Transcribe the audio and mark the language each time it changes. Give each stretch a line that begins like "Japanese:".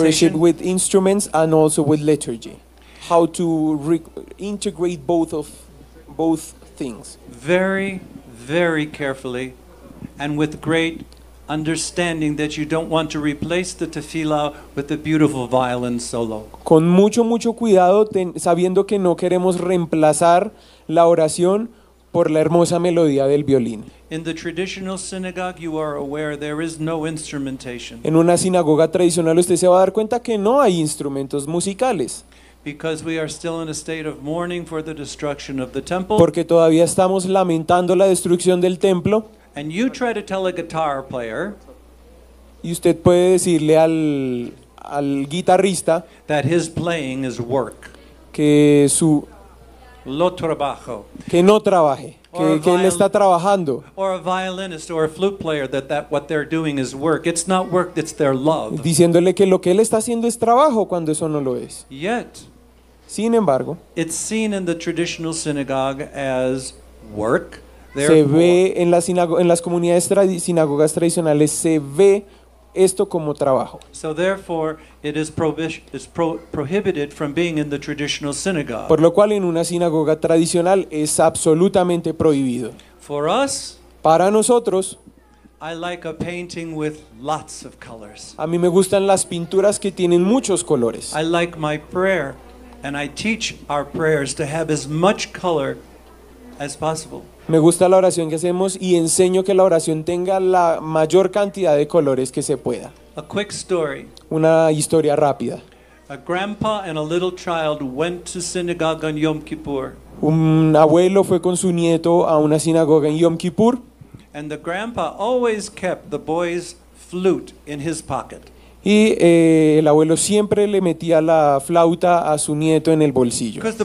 English: worship with instruments and also with liturgy, how to integrate both things very, very carefully and with great understanding that you don't want to replace the tefillah with the beautiful violin solo.
Spanish: Con mucho, mucho cuidado, sabiendo que no queremos reemplazar la oración por la hermosa melodía del violín.
English: In the traditional synagogue, you are aware there is no instrumentation.
Spanish: En una sinagoga tradicional, usted se va a dar cuenta que no hay instrumentos musicales.
English: Because we are still in a state of mourning for the destruction of the temple.
Spanish: Porque todavía estamos lamentando la destrucción del templo.
English: And you try to tell a guitar player,
Spanish: y usted puede decirle al guitarrista
English: that his playing is work.
Spanish: Que su lo trabajo. Que no trabaje, que él está trabajando.
English: Or a violinist or a flute player that what they're doing is work. It's not work, it's their love.
Spanish: Diciéndole que lo que él está haciendo es trabajo cuando eso no lo es.
English: Yet,
Spanish: sin embargo,
English: it's seen in the traditional synagogue as work.
Spanish: Se ve en las sinagogas tradicionales, se ve esto como trabajo.
English: So therefore it is prohibited from being in the traditional synagogue.
Spanish: Por lo cual en una sinagoga tradicional es absolutamente prohibido.
English: For us,
Spanish: para nosotros,
English: I like a painting with lots of colors.
Spanish: A mí me gustan las pinturas que tienen muchos colores.
English: I like my prayer and I teach our prayers to have as much color as possible.
Spanish: Me gusta la oración que hacemos y enseño que la oración tenga la mayor cantidad de colores que se pueda.
English: A quick story.
Spanish: Una historia rápida.
English: A grandpa and a little child went to synagogue on Yom Kippur.
Spanish: Un abuelo fue con su nieto a una sinagoga en Yom Kippur.
English: And the grandpa always kept the boy's flute in his pocket.
Spanish: Y el abuelo siempre le metía la flauta a su nieto en el bolsillo.